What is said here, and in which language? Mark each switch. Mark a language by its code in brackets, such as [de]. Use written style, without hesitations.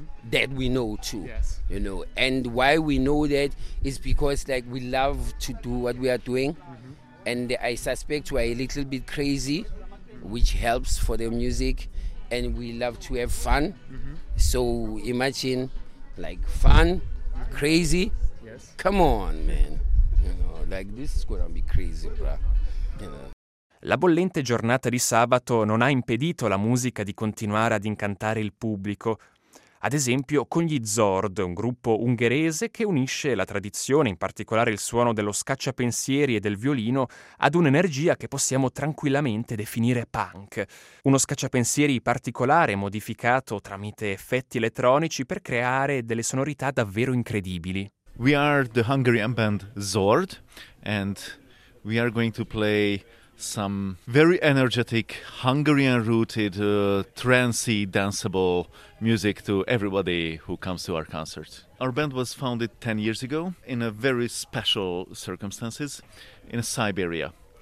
[en] That we know too, you know. And why we know that is because, like, we love to do what we are doing, and I suspect we're a little bit crazy, which helps for the music, and we love to have fun. So imagine, like, fun, crazy. Come on, man. You know, like, this is gonna be crazy, bro. You know. [it] La bollente giornata di sabato non ha impedito la musica di continuare ad incantare il pubblico, ad esempio con gli Zord, un gruppo ungherese che unisce la tradizione, in particolare il suono dello scacciapensieri e del violino, ad un'energia che possiamo tranquillamente definire punk. Uno scacciapensieri particolare modificato tramite effetti elettronici per creare delle sonorità davvero incredibili. [en] We are the Hungarian band Zord and we are going to play some very energetic Hungarian rooted trancey danceable music to everybody who comes to our concert. Our band was founded 10 years ago in a very special circumstances in Siberia.